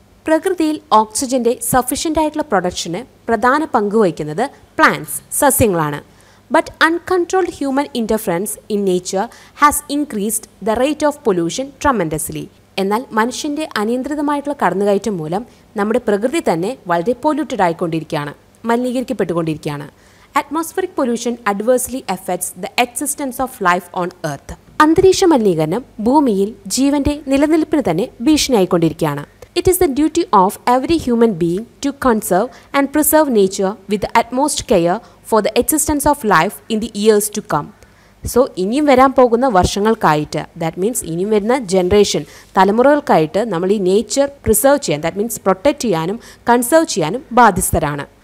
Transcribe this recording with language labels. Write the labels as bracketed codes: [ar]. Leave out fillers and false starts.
[ml] പ്രകൃതിയിൽ ഓക്സിജൻ്റെ സഫിഷ്യൻ്റ് ആയിട്ടുള്ള പ്രൊഡക്ഷന് പ്രധാന പങ്ക് വഹിക്കുന്നത് plants, സസ്യങ്ങളാണ്. [en] But uncontrolled human interference in nature has increased the rate of pollution tremendously. [ml] എന്നാൽ മനുഷ്യൻ്റെ അനിയന്ത്രിതമായിട്ടുള്ള കടന്നുകയറ്റം മൂലം നമ്മുടെ പ്രകൃതി തന്നെ വളരെ പൊല്യൂട്ടഡ് ആയിക്കൊണ്ടിരിക്കുകയാണ്, മലിനീകരിക്കപ്പെട്ടുകൊണ്ടിരിക്കുകയാണ്. [en] Atmospheric pollution adversely affects the existence of life on earth. [ml] അന്തരീക്ഷ മലിനീകരണം ഭൂമിയിൽ ജീവന്റെ നിലനിൽപ്പിന് തന്നെ ഭീഷണിയായിക്കൊണ്ടിരിക്കുകയാണ്. [en] It is the duty of every human being to conserve and preserve nature with utmost care for the existence of life in the years to come. [ml] So ഇനിയും വരാൻ പോകുന്ന വർഷങ്ങൾക്കായിട്ട്, that means ഇനിയും വരുന്ന ജനറേഷൻ തലമുറകൾക്കായിട്ട് നമ്മൾ ഈ നേച്ചർ പ്രിസേർവ് ചെയ്യാൻ, that means protect ചെയ്യാനും conserve ചെയ്യാനും ബാധ്യസ്ഥരാണ്.